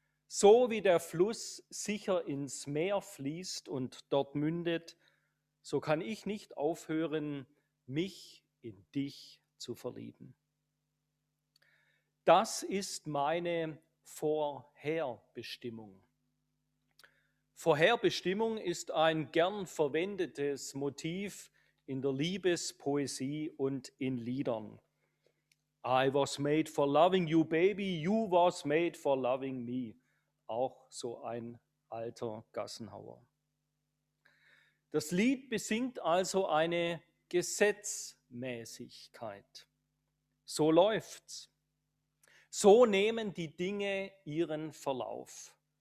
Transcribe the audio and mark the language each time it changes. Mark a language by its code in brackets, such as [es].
[de] So wie der Fluss sicher ins Meer fließt und dort mündet, so kann ich nicht aufhören, mich in dich zu verlieben. Das ist meine Vorherbestimmung. Vorherbestimmung ist ein gern verwendetes Motiv in der Liebespoesie und in Liedern. [en] I was made for loving you, baby, you was made for loving me. [de] Auch so ein alter Gassenhauer. Das Lied besingt also eine Gesetzmäßigkeit. So läuft's. So nehmen die Dinge ihren Verlauf.